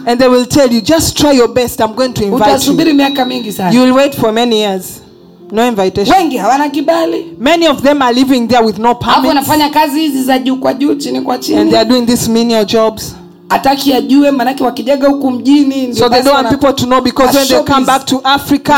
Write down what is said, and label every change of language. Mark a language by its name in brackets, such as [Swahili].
[English] And they will tell you just try your best, I'm going to invite you. [Swahili] Utasubiri miaka mingi sana. [English] You will wait for many years. No invitation. [Swahili] Wengi hawana kibali. [English] Many of them are living there with no permits. [Swahili] Hapo anafanya kazi hizi za juu kwa juu chini kwa chini. [English] And they are doing these menial jobs. [Swahili] Ataki ajue manake wakijaga huku mjini. [English] So they don't want people to know because when they come back to Africa.